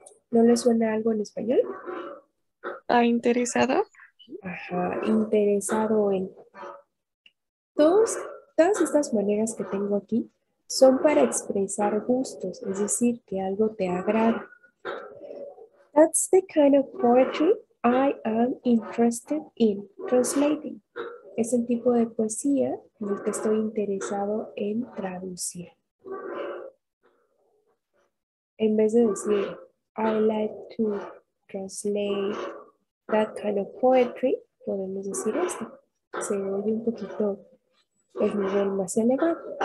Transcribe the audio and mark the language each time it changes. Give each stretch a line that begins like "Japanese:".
Spanish: ¿No les suena algo en español? ¿Ha interesado? Ajá, interesado en. Todas estas maneras que tengo aquí son para expresar gustos, es decir, que algo te agrada.
English: That's the kind of poetry I am interested in translating.
Spanish: Es el tipo de poesía en el que estoy interesado en traducir. En vez de decir,
English: I like to translate that kind of poetry,
Spanish: podemos decir esto. Se oye un poquito el nivel más elevado.